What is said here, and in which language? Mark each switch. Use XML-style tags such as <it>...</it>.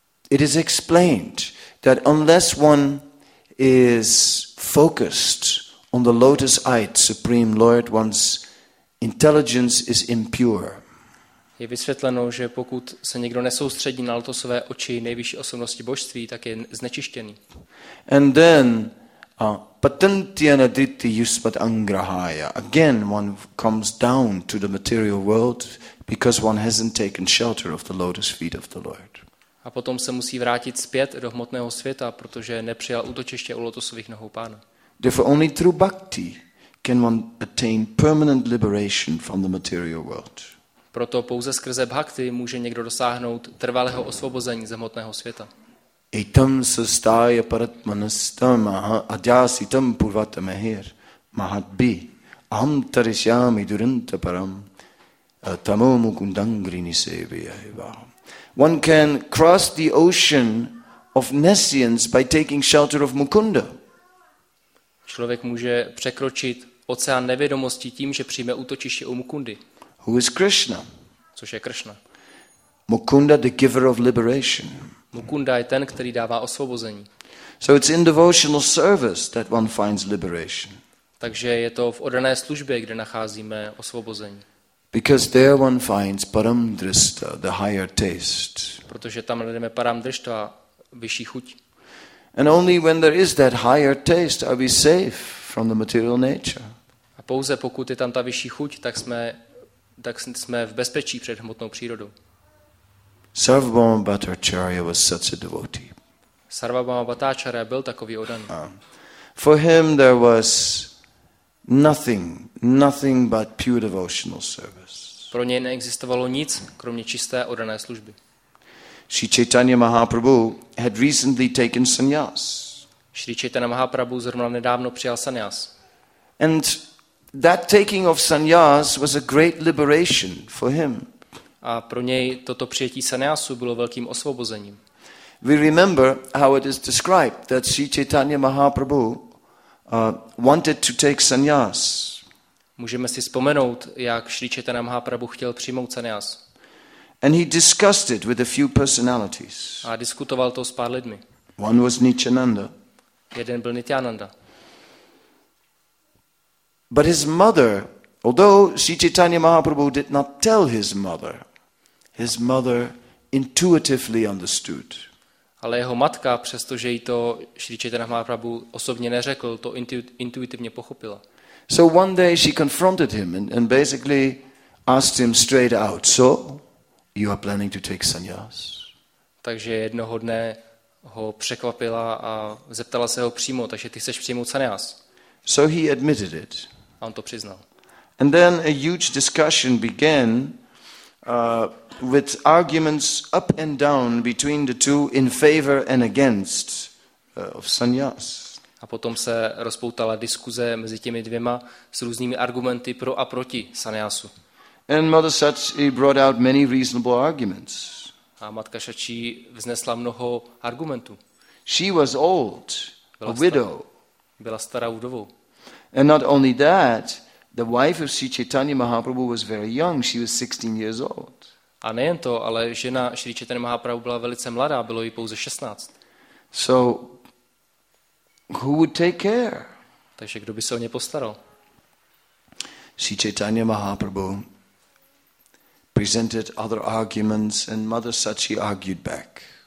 <en>It is explained that unless one is focused on the lotus-eyed Supreme Lord, one's intelligence is impure.</en> <cs>Je vysvětleno, že pokud se někdo nesoustředí na lotosové oči nejvyšší osobnosti božství, tak je znečištěný.</cs> <en>And then</en> <sa>patantyana ditti yusmat angrahaya.</sa> <en>Again, one comes down to the material world because one hasn't taken shelter of the lotus feet of the Lord.</en> <cs>A potom se musí vrátit zpět do hmotného světa, protože nepřijal útočiště u lotosových nohou Pána.</cs> <en>Therefore, only through bhakti can one attain permanent liberation from the material world.</en> <cs>Proto pouze skrze bhakti může někdo dosáhnout trvalého osvobození z hmotného světa.</cs> <sa>Etam sastaya paratmanastam adyasitam purvatamahir mahatbi aham tarishyami durantaparam tamomukundangrini sevayaiva.</sa> <en>One can cross the ocean of nescience by taking shelter of Mukunda.</en> <cs>Člověk může překročit oceán nevědomosti tím, že přijme útočiště u Mukundy.</cs> <en>Who is Krishna?</en> <cs>Což je Krishna.</cs> <en>Mukunda, the giver of liberation.</en> <cs>Mukunda je ten, který dává osvobození.</cs> <en>So it's in devotional service that one finds liberation.</en> <cs>Takže je to v oddané službě, kde nacházíme osvobození.</cs> <en>Because there one finds param drishta, the higher taste.</en> <cs>Protože tam najdeme param drishta, vyšší chuť.</cs> <en>And only when there is that higher taste are we safe from the material nature.</en> <cs>A pouze pokud je tam ta vyšší chuť, tak jsme v bezpečí před hmotnou přírodou.</cs> <en>Sarvabhauma Bhattacharya was such a devotee.</en> <cs>Sarvabhauma Bhattacharya byl takový oddaný.</cs> <en>For him there was nothing but pure devotional service.</en> <cs>Pro něj neexistovalo nic kromě čisté oddané služby.</cs> <en>Sri Chaitanya Mahaprabhu had recently taken sannyas.</en> <cs>Sri Chaitanya Mahaprabhu zrovna nedávno přijal sannyas.</cs> <en>And that taking of sannyas was a great liberation for him.</en> <cs>A pro něj toto přijetí sannyasu bylo velkým osvobozením.</cs> <en>We remember how it is described that Sri Chaitanya Mahaprabhu wanted to take sannyas.</en> <cs>Můžeme si vzpomenout, jak Sri Chaitanya Mahaprabhu chtěl přijmout sannyas.</cs> <en>And he discussed it with a few personalities.</en> <cs>A diskutoval to s pár lidmi.</cs> <en>One was Nityananda.</en> <cs>Jeden byl Nityananda.</cs> <en>But his mother, although Sri Chaitanya Mahaprabhu did not tell his mother intuitively understood.</en> <cs>Ale jeho matka, přestože jí to Sri Chaitanya Mahaprabhu osobně neřekl, to intuitivně pochopila.</cs> <en>So one day she confronted him and basically asked him straight out. So you are planning to take sannyas?</en> <cs>Takže jednoho dne ho překvapila a zeptala se ho přímo, takže ty chceš přijmout sannyas?</cs> <en>So he admitted it.</en> <cs>A on to přiznal.</cs> <en>And then a huge discussion began with arguments up and down between the two in favor and against of sannyas.</en> <cs>A potom se rozpoutala diskuze mezi těmi dvěma s různými argumenty pro a proti sannyasu.</cs> <en>And Mother Shachi brought out many reasonable arguments.</en> <cs>A matka Shachi vznesla mnoho argumentů.</cs> <en>She was old, a widow.</en> <cs>Byla stará vdovou.</cs> <en>And not only that, the wife of Sri Chaitanya Mahaprabhu was very young. She was 16 years old.</en> <cs>A nejen to, ale žena Sri Chaitanya Mahaprabhu byla velice mladá, bylo jí pouze 16.</cs> <en>So who would take care?</en> <cs>Takže kdo by se o ně postaral?</cs> <en>Sri Chaitanya Mahaprabhu presented other arguments and Mother Shachi argued back.</en>